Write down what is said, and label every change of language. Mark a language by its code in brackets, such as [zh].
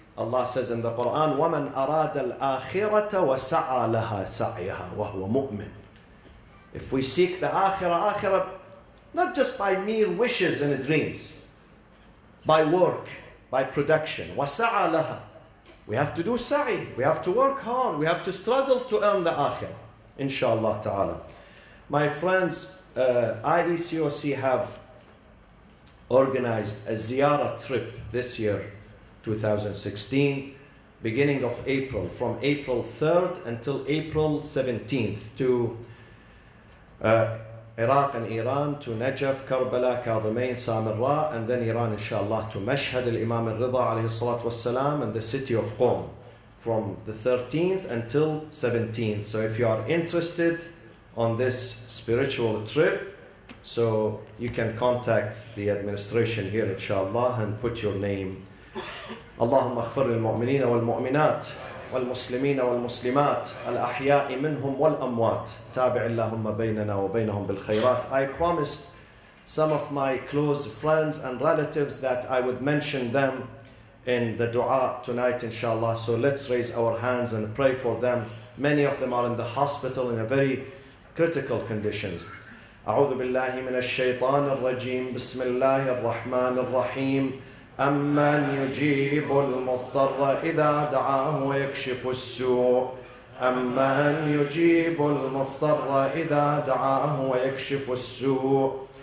[en] Allah says in the Quran, [ar] وَمَنْ أَرَادَ الْآخِرَةَ وَسَعَى لَهَا سَعْيَهَا وَهُوَ مُؤْمِنٌ. [en] If we seek the akhirah, not just by mere wishes and dreams, by work, by production, [ar] وَسَعَى لَهَا. [en] We have to do sa'i. We have to work hard. We have to struggle to earn the akhirah, inshallah ta'ala. My friends, IECOC have organized a ziyarah trip this year, 2016, beginning of April, from April 3rd until April 17th, to Iraq and Iran, to Najaf, Karbala, Kadhimain, Samarra, and then Iran, inshallah, to Mashhad al-Imam al-Ridha, alayhi salat wa salam, and the city of Qom, from the 13th until 17th. So if you are interested on this spiritual trip, so you can contact the administration here, inshallah, and put your name. [ar] Allahumma aghfir lil-mu'mineen wal-mu'minat. والمسلمين والمسلمات الأحياء منهم والأموات تابع اللهم بيننا وبينهم بالخيرات. [en] I promised some of my close friends and relatives that I would mention them in the dua tonight, inshallah. So let's raise our hands and pray for them. Many of them are in the hospital in a very critical conditions. [ar] أعوذ بالله من الشيطان الرجيم. بسم الله الرحمن الرحيم. أمن يجيب المضطر إذا دعاه ويكشف السوء أمن يجيب المضطر إذا دعاه ويكشف السوء